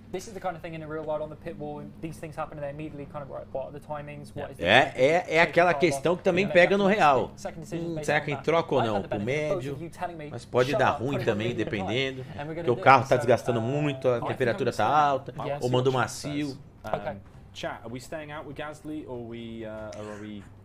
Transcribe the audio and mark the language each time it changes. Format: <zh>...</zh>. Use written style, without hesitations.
<en>This is the kind of thing in a real world on the pit wall. These things happen and they immediately kind of work. What are the timings? What is the</en> <pt>é aquela questão que também pega no real. Será que troca ou não pro médio? Mas pode dar ruim também, dependendo. Porque o carro está desgastando muito, a temperatura está alta, ou manda um macio.</pt> <en>Chat, are we staying out with Gasly or are we...</en>